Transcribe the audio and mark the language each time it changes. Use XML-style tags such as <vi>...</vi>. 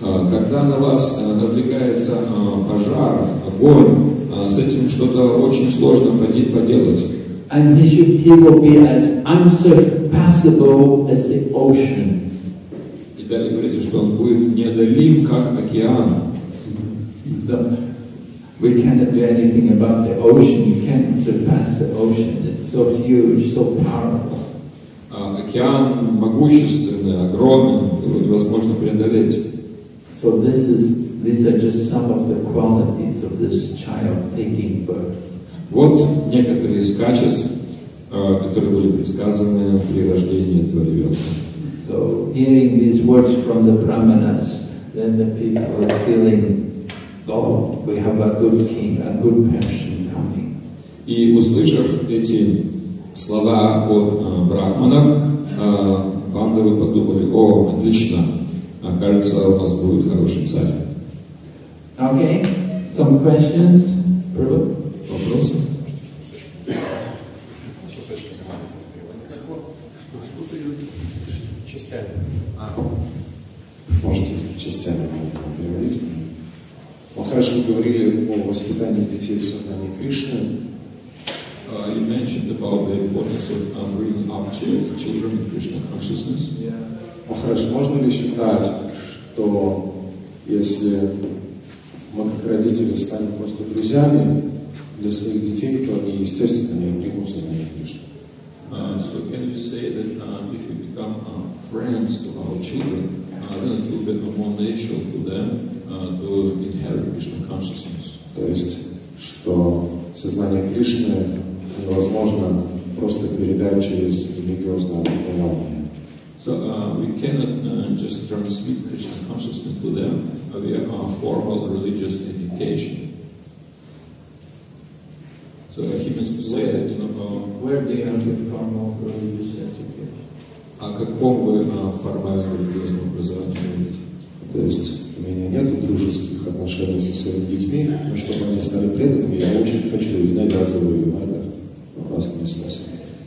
<ru>Когда на вас надвигается пожар, огонь, с этим что-то очень сложно поделать.</ru> <en>And he will be as unsurpassable as the ocean.</en> <ru>И далее говорится, что он будет неодолим, как океан.</ru> <en>So, we cannot do anything about the ocean. You can't surpass the ocean. It's so huge, so powerful.</en> <ru>Океан могущественный, огромный, его невозможно преодолеть.</ru> <en>So these are just some of the qualities of this child taking birth.</en> <ru>Вот некоторые из качеств, которые были предсказаны при рождении этого ребенка.</ru> <en>So hearing these words from the brahmanas, then the people are feeling, oh, we have a good king, a good person coming.</en> <ru>И услышав эти слова от брахманов, пандавы подумали, о, отлично. Кажется, у нас будет хороший царь.</ru> <en>Okay, some questions?</en> <ru>Вопросы? Можете частями переводить? Махарадж, вы говорили о воспитании детей в сознании Кришны.</ru> <en>You mentioned about the importance of bringing up children in Krishna consciousness.</en> <ru>Махарадж, можно ли считать, что если мы как родители станем просто друзьями для своих детей, то они естественно не примут знания Кришны?</ru> <en>So can you say that if you become friends to our children, then it will be more natural for them to inherit Krishna consciousness?</en> <ru>То есть, что сознание Кришны невозможно просто передать через религиозное понимание.</ru> <en>So we cannot just transmit Krishna consciousness to them via formal religious education. So he means to say that, you know, where do you have the formal religious education?</en> <ru>О каком вы формальном религиозном образовании говорите? То есть у меня нет дружеских отношений со своими детьми, но чтобы они стали преданными, я очень хочу и навязываю им это разными способами.</ru>